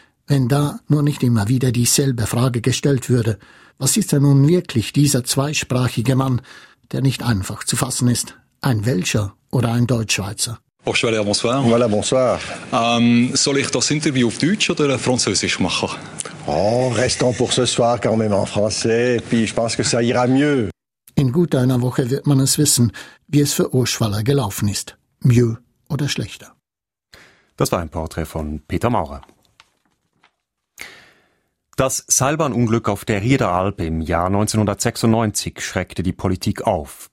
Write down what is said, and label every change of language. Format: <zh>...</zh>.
<de>Wenn da nur nicht immer wieder dieselbe Frage gestellt würde, was ist denn nun wirklich dieser zweisprachige Mann, der nicht einfach zu fassen ist? Ein Welscher oder ein Deutschschweizer?</de> <fr>Oh, Schwaller, bonsoir. Voilà, bonsoir.</fr> <de>Soll ich das Interview auf Deutsch oder Französisch machen?</de> <fr>Oh, restons pour ce soir quand même en français, puis je pense que ça ira mieux.</fr> <de>In gut einer Woche wird man es wissen, wie es für Urschwaller gelaufen ist.</de> <fr>Mieux</fr> <de>oder schlechter. Das war ein Porträt von Peter Maurer. Das Seilbahnunglück auf der Riederalp im Jahr 1996 schreckte die Politik auf.</de>